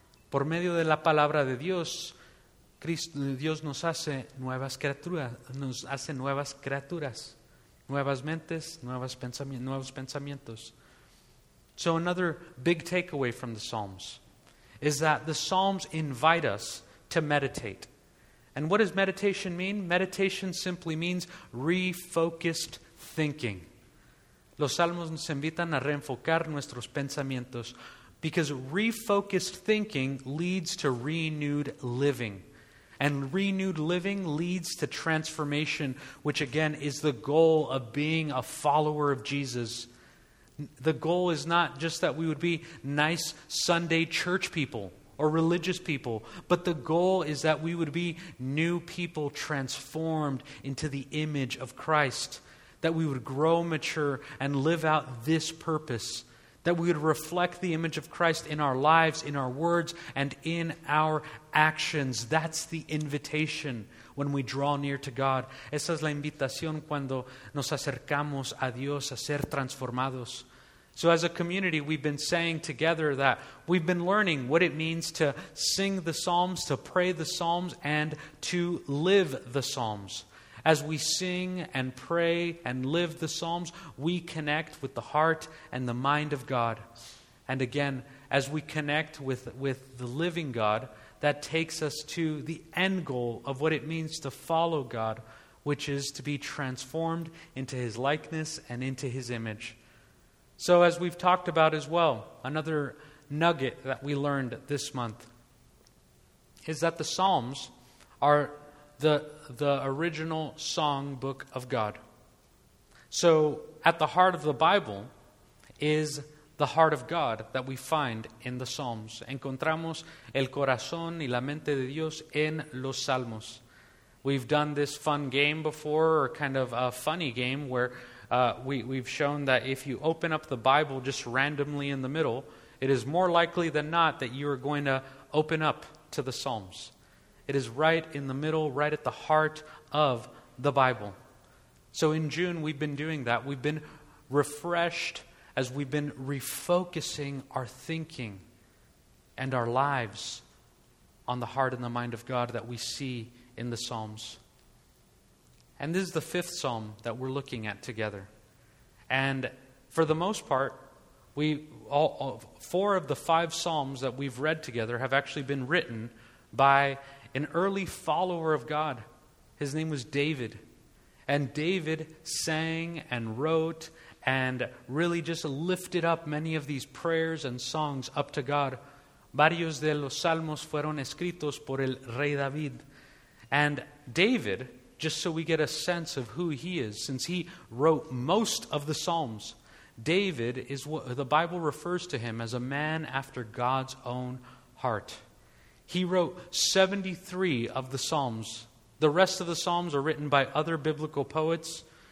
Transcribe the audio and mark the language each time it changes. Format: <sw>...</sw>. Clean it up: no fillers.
<es>Por medio de la palabra de Dios, Dios nos hace nuevas criaturas. Nos hace nuevas criaturas, nuevas mentes, nuevos pensamientos.</es> <en>So another big takeaway from the Psalms is that the Psalms invite us to meditate. And what does meditation mean? Meditation simply means refocused thinking.</en> <es>Los Salmos nos invitan a reenfocar nuestros pensamientos</es> <en>because refocused thinking leads to renewed living. And renewed living leads to transformation, which again is the goal of being a follower of Jesus. The goal is not just that we would be nice Sunday church people or religious people, but the goal is that we would be new people transformed into the image of Christ, that we would grow mature and live out this purpose, that we would reflect the image of Christ in our lives, in our words, and in our actions. That's the invitation when we draw near to God.</en> <es>Esa es la invitación cuando nos acercamos a Dios a ser transformados.</es> <en>So as a community, we've been saying together that we've been learning what it means to sing the Psalms, to pray the Psalms, and to live the Psalms. As we sing and pray and live the Psalms, we connect with the heart and the mind of God. And again, as we connect with the living God, that takes us to the end goal of what it means to follow God, which is to be transformed into His likeness and into His image. So as we've talked about as well, another nugget that we learned this month is that the Psalms are the original song book of God. So at the heart of the Bible is the heart of God that we find in the Psalms.</en> <es>Encontramos el corazón y la mente de Dios en los Salmos.</es> <en>We've done this fun game before, or kind of a funny game where we've shown that if you open up the Bible just randomly in the middle, it is more likely than not that you are going to open up to the Psalms. It is right in the middle, right at the heart of the Bible. So in June, we've been doing that. We've been refreshed as we've been refocusing our thinking and our lives on the heart and the mind of God that we see in the Psalms. And this is the fifth psalm that we're looking at together. And for the most part, four of the five psalms that we've read together have actually been written by an early follower of God. His name was David. And David sang and wrote and really just lifted up many of these prayers and songs up to God.</en> <es>Varios de los salmos fueron escritos por el rey David.</es> <en>And David, just so we get a sense of who he is, since he wrote most of the Psalms, David is what the Bible refers to him as, a man after God's own heart. He wrote 73 of the Psalms. The rest of the Psalms are written by other biblical poets.</en>